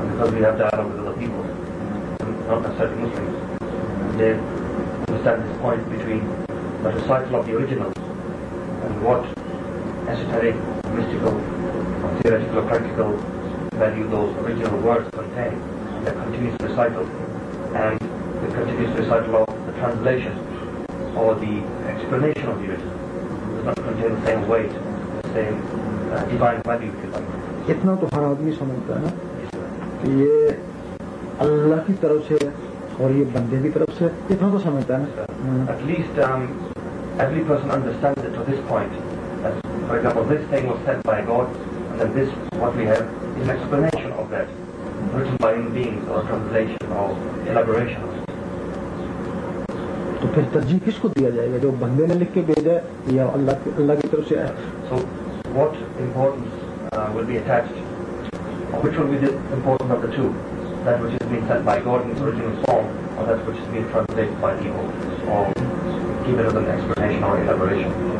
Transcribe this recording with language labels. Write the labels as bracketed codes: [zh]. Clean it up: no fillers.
[en] And because we have dialogue with other people, not necessarily Muslims, they understand this point between the recital of the originals and what esoteric, mystical, theoretical or practical value those original words contain, the continuous recital and the continuous recital of the translation or the explanation of the original does not contain the same weight, the same divine value, if you like. [ur] اتنا تو ہر آدمی سمجھتا ہے نا کہ یہ اللہ کی طرف سے اور یہ بندے کی طرف سے, اتنا تو سمجھتا ہے نا. [en] At least every person understands it to this point, that for example this thing was said by God and then this what we have is an explanation of that, written by human beings, or translation, or elaboration. [ur] تو پھر ترجیح کس کو دیا جائے گا, جو بندے نے لکھ کے بھیجا ہے یا اللہ کی طرف سے آیا؟ [en] So what importance will be attached, or which will be the importance of the two, that which has been said by God in its original form, or that which has been translated by people, or given as an explanation or elaboration?